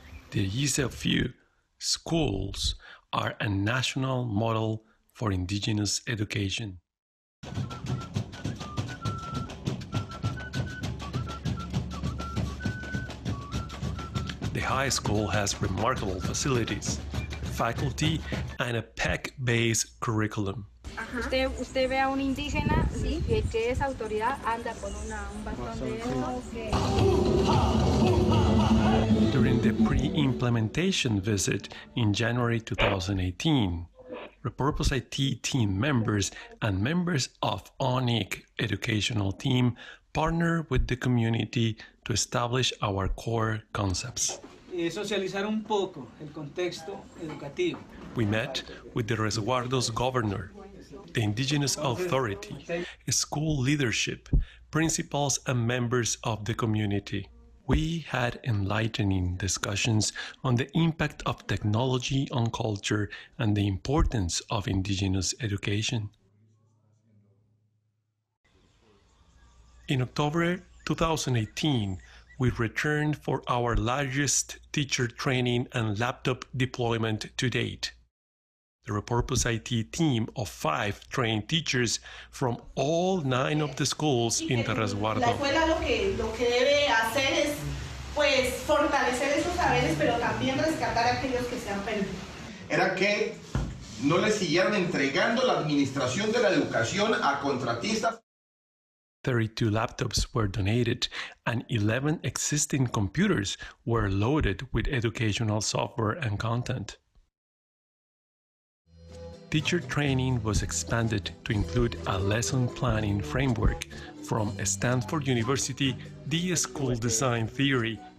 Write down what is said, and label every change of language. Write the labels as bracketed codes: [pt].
[en] The ISEFU schools are a national model for indigenous education. The high school has remarkable facilities, faculty, and a PEC-based curriculum. [es] Usted ve a un indígena, sí, que es autoridad, anda con un bastón. [en] During the pre-implementation visit in January 2018, Repurpose IT team members and members of ONIC educational team partner with the community to establish our core concepts. [es] Socializar un poco el contexto educativo. [en] We met with the Resguardo's governor, the indigenous authority, school leadership, principals, and members of the community. We had enlightening discussions on the impact of technology on culture and the importance of indigenous education. In October 2018, we returned for our largest teacher training and laptop deployment to date. The Repurpose IT team of 5 trained teachers from all 9 of the schools in the Resguardo. [es] La escuela lo que debe hacer es pues fortalecer esos saberes, pero también rescatar a aquellos que se han perdido. Era que no le siguieran entregando la administración de la educación a contratistas. [en] 32 laptops were donated and 11 existing computers were loaded with educational software and content. Teacher training was expanded to include a lesson planning framework from Stanford University D-School Design Theory.